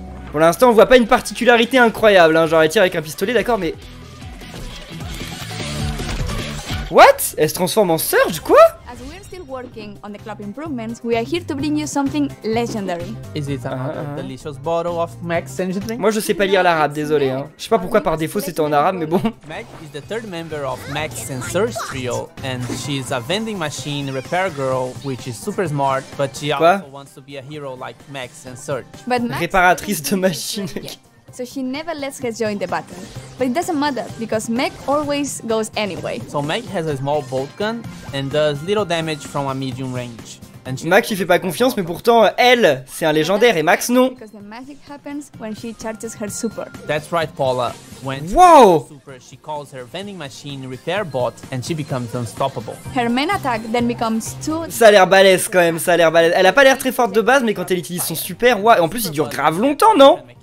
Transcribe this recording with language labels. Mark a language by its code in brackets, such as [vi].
[fr] Pour l'instant, on voit pas une particularité incroyable, hein. Genre, elle tire avec un pistolet, d'accord, mais... [en] What? [fr] Elle se transforme en Surge, quoi? [en] As we're still working on the club improvements, we are here to bring you something legendary. Is it a delicious bottle of Max Engine Drink? [fr] Moi, je sais pas lire l'arabe, désolé, hein. Je sais pas pourquoi par défaut c'était en arabe, mais bon. [en] Max is the third member of Max and Surge trio, and she's a vending machine repair girl, which is super smart, but she also wants to be a hero like Max and Surge. But Max [fr] réparatrice de machine. [en] So she never lets her join the battle. But it doesn't matter because Meg always goes anyway. So Meg has a small bolt gun and does little damage from a medium range. And she... [fr] Max, il fait pas confiance, mais pourtant elle, c'est un légendaire et Max non. [en] Because the magic happens when she charges her super. That's right, Paula. When she charges super, she calls her vending machine repair bot and she becomes unstoppable. Her main attack then becomes two. [fr] Ça a l'air balèze quand même, ça a l'air balèze. Elle a pas l'air très forte de base, mais quand elle utilise son super, waouh, et en plus il dure grave longtemps, non?